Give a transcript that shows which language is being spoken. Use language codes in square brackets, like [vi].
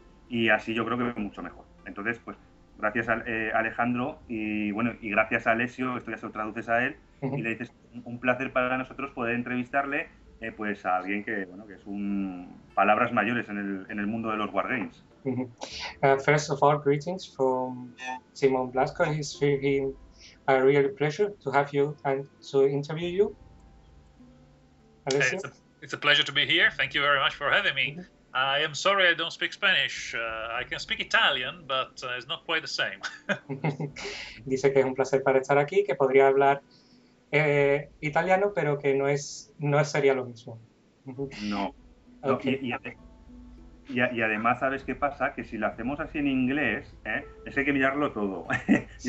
[es] Y así yo creo que es mucho mejor. Entonces, pues, gracias a Alejandro y, bueno, y gracias a Alessio, esto ya se lo traduces a él, uh-huh. y le dices, un placer para nosotros poder entrevistarle. Pues a alguien que, bueno, que es un palabras mayores en el mundo de los wargames. [en] First of all, greetings from Simon Blasco. It's been a real pleasure to have you and to interview you. Alessio? It's a pleasure to be here. Thank you very much for having me. Mm-hmm. I am sorry I don't speak Spanish. I can speak Italian, but it's not quite the same. [es] Dice que es un placer para estar aquí, que podría hablar italiano, pero que no sería lo mismo. No. Okay. Y además, ¿sabes qué pasa? Que si lo hacemos así en inglés, es que hay que mirarlo todo. Sí.